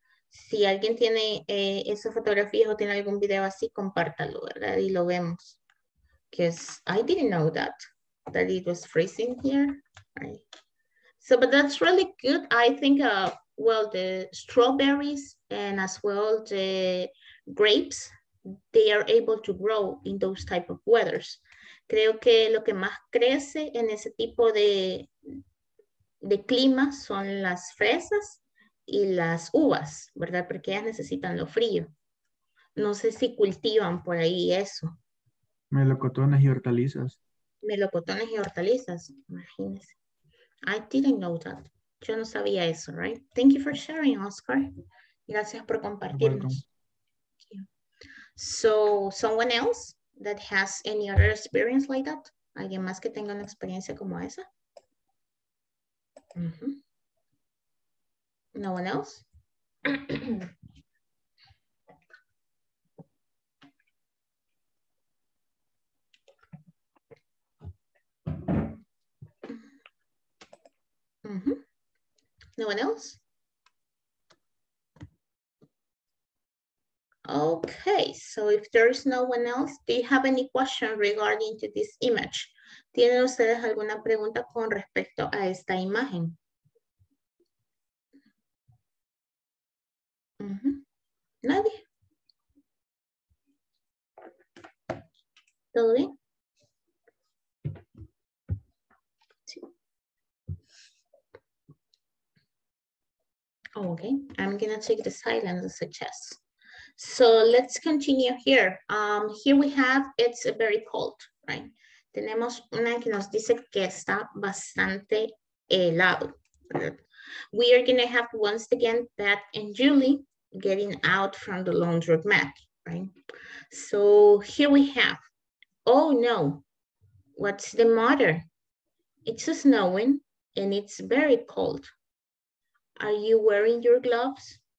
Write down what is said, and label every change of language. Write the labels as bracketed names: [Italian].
[Spanish] Si alguien tiene esas fotografías o tiene algún video así, compártalo, ¿verdad? Y lo vemos. [English] Because I didn't know that, that it was freezing here. Right. So, but that's really good. I think, well, the strawberries and as well the grapes, they are able to grow in those type of weathers. [Spanish] Creo que lo que más crece en ese tipo de clima son las fresas y las uvas, ¿verdad? Porque ellas necesitan lo frío. No sé si cultivan por ahí eso. Melocotones y hortalizas. Melocotones y hortalizas, imagínense. [English] I didn't know that. [Spanish] Yo no sabía eso, [English] right? Thank you for sharing, [Spanish] Oscar. Gracias por compartirnos. [English] So, someone else that has any other experience like that? [Spanish] ¿Alguien más que tenga una experiencia como esa? [English] Mm-hmm. No one else? No one else? Okay, so if there is no one else, do you have any question regarding to this image? [Spanish] ¿Tienen ustedes alguna pregunta con respecto a esta imagen? ¿Nadie? ¿Todo bien? [English] Okay, I'm gonna take the silence as a yes. So let's continue here. Here we have, it's very cold, right? [Spanish] Tenemos una que nos dice que está bastante helado. [English] We are gonna have once again, Pat and Julie getting out from the laundromat, right? So here we have, oh no, what's the matter? It's snowing and it's very cold. Are you wearing your gloves?